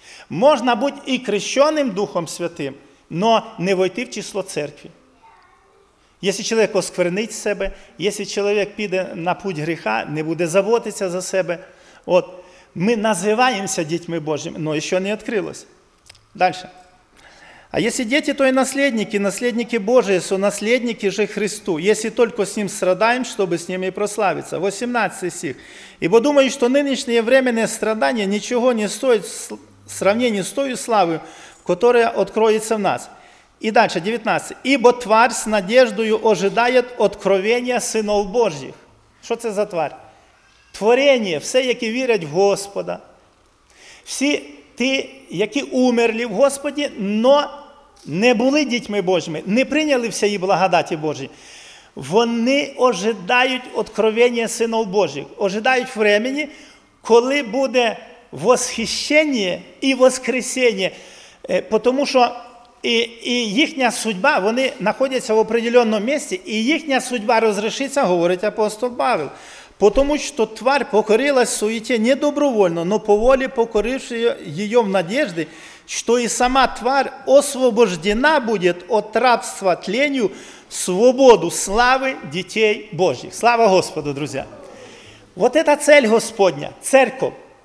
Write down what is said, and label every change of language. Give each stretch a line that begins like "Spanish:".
Ukrainian: Можна бути і хрещеним Духом Святим, но не войти в число церкви. Якщо чоловік осквернить себе, якщо чоловік піде на путь гріха, не буде заботитися за себе. От, ми називаємося дітьми Божими, но ще не відкрилось. Далі.
Russian: А если дети, то и наследники, наследники Божии, сонаследники же Христу, если только с Ним страдаем, чтобы с Ним и прославиться. 18 стих. Ибо думаю, что нынешние временные страдания ничего не стоят в сравнении с той славой, которая откроется в нас. И дальше, 19. Ибо тварь с надеждою ожидает откровения сынов Божьих. Что это за тварь?
Ukrainian: Творение, все, які вірять в Господа, всі ті, які умерли в Господі, но не були дітьми Божими, не прийняли всієї благодаті Божої, вони ожидають откровення Сина Божих, ожидають времени, коли буде восхищення і воскресіння, тому що і їхня судьба, вони знаходяться в определеному місці, і їхня судьба розрішиться, говорить апостол Павел.
Russian: Потому что тварь покорилась суете не добровольно, но по воле покорившей ее в надежде, что и сама тварь освобождена будет от рабства тленью свободу славы детей Божьих. Слава Господу, друзья! Вот это цель Господня, церковь.